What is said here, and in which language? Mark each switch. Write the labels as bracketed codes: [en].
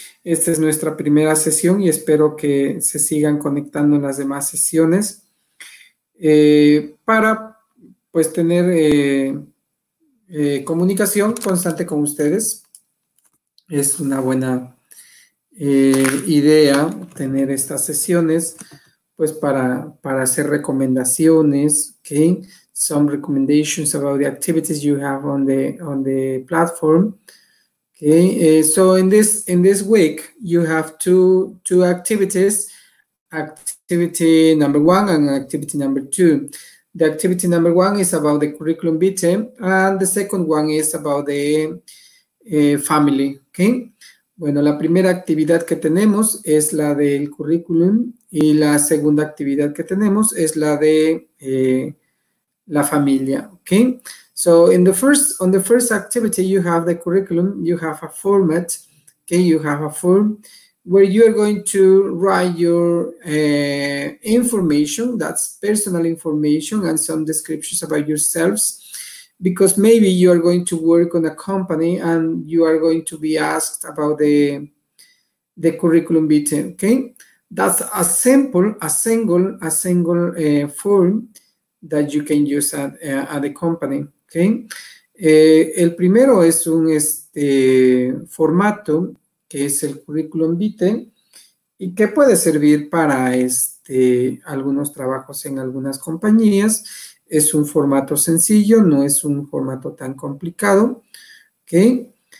[es] Esta es nuestra primera sesión y espero que se sigan conectando en las demás sesiones para pues tener comunicación constante con ustedes. Es una buena idea tener estas sesiones pues para hacer recomendaciones, okay? [en] Some recommendations about the activities you have on the platform. Okay, so in this week you have two activities, activity number one and activity number two. The activity number one is about the curriculum vitae, and the second one is about the family. [es] Okay, bueno, la primera actividad que tenemos es la del currículum y la segunda actividad que tenemos es la de la familia. [en] Okay. So in the first, on the first activity, you have the curriculum, you have a format, okay, you have a form where you are going to write your information, that's personal information and some descriptions about yourselves, because maybe you are going to work on a company and you are going to be asked about the curriculum vitae, okay? That's a simple, a single form that you can use at the company. Okay. [es] El primero es un formato que es el currículum vitae y que puede servir para algunos trabajos en algunas compañías. Es un formato sencillo, no es un formato tan complicado. Okay.